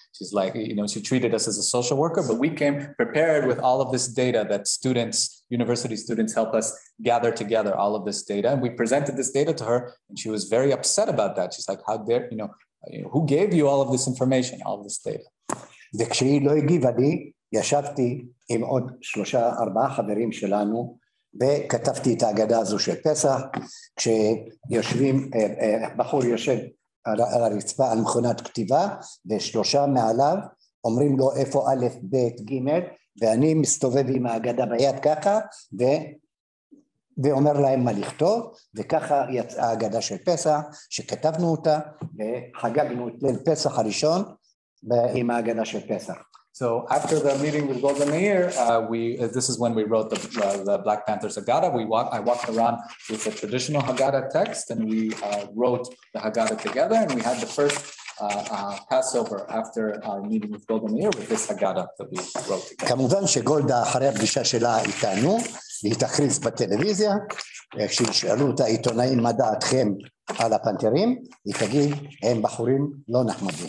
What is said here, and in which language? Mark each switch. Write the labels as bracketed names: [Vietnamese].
[English] She's like, you know, she treated us as a social worker, but we came prepared with all of this data that students, university students help us gather together, all of this data. And we presented this data to her, and she was very upset about that. She's like, how dare, you know, who gave you all of this information, all of this data? [Hebrew] וכשהיא לא הגיבה לי, ישבתי עם עוד 3-4 חברים שלנו, וכתבתי את ההגדה הזו של פסח, כשיושבים, בחור יושב על הרצפה, על מכונת כתיבה, ושלושה מעליו אומרים לו איפה א', ב', ג', ואני מסתובב עם ההגדה ביד ככה, ואומר להם מה לכתוב, וככה יצאה ההגדה של פסח, שכתבנו אותה, וחגגנו את ליל פסח הראשון, עם ההגדה של פסח. [English] So after the meeting with Golda Meir, this is when we wrote the Black Panther's Haggadah. I walked around with the traditional Haggadah text, and we wrote the Haggadah together, and we had the first Passover after our meeting with Golda Meir with this Haggadah that we wrote together. [Hebrew] כמובן שגולדה אחרי הפגישה שלה איתנו, היא תכריז בטלוויזיה, כששאלו את העיתונאים מה דעתכם על הפנתרים, היא תגיד, הם בחורים לא נחמדים.